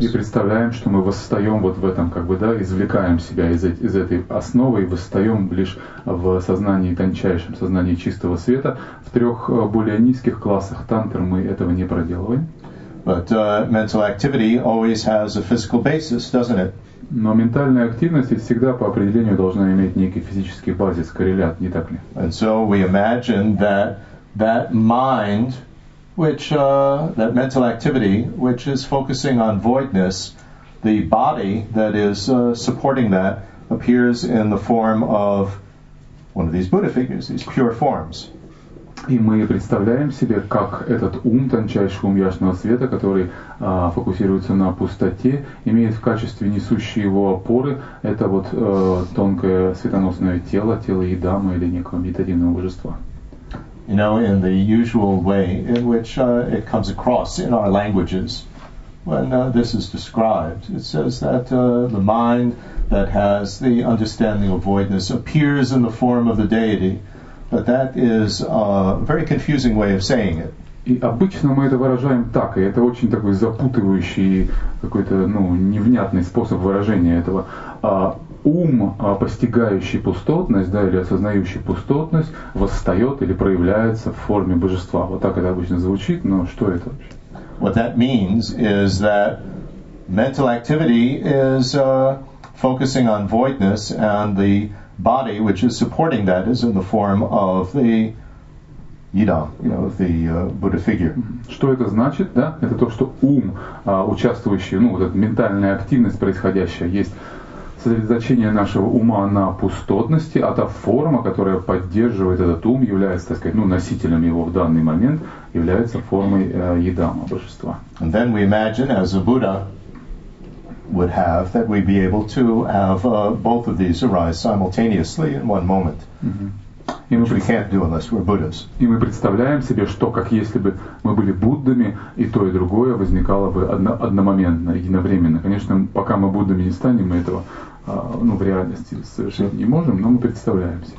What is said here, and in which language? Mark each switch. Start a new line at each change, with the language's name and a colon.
Russian: И представляем, что мы восстаем вот в этом, как бы, да, извлекаем себя из этой основы и восстаем лишь в сознании тончайшем, сознании чистого света. В трех более низких классах тантр мы этого не проделываем.
English: But mental activity always has a physical basis, doesn't it?
Russian: Но ментальная активность всегда по определению должна иметь некий физический базис, коррелят, не так ли?
English: And so we imagine that that mind, which that mental activity, which is focusing on voidness, the body that is supporting that appears in the form of one of these Buddha figures, these pure forms.
Russian: И мы представляем себе, как этот ум, тончайший ум ясного света, который фокусируется на пустоте, имеет в качестве несущей его опоры это вот тонкое светоносное тело, тело Идама или некого медитативного божества.
English: You know, in the usual way in which it comes across in our languages, when this is described, it says that the mind that has the understanding of voidness appears in the form of the deity. But that is a very confusing way of saying it.
Russian: И обычно мы это выражаем так, и это очень такой запутывающий какой-то, ну, невнятный способ выражения этого. Ум, постигающий пустотность, да, или осознающий пустотность, восстает или проявляется в форме божества. Вот так это обычно звучит, но что это вообще?
English: What that means is that mental activity is focusing on voidness and the body, which is supporting that, is in the form of the Идам, you know, the Buddha figure.
Russian: Что это значит, да? Это то, что ум, участвующий, ну, вот эта ментальная активность происходящая, есть сосредоточение нашего ума на пустотности, а та форма, которая поддерживает этот ум, является, так сказать, ну, носителем его в данный момент, является формой Идама, божества.
English: And then we imagine, as a Buddha would have, that we'd be able to have both of these arise simultaneously in one moment.
Russian: И мы представляем себе, что как если бы мы были Буддами, и то, и другое возникало бы одномоментно, единовременно. Конечно, пока мы Буддами не станем, мы этого в реальности совершенно не можем, но мы представляем себе.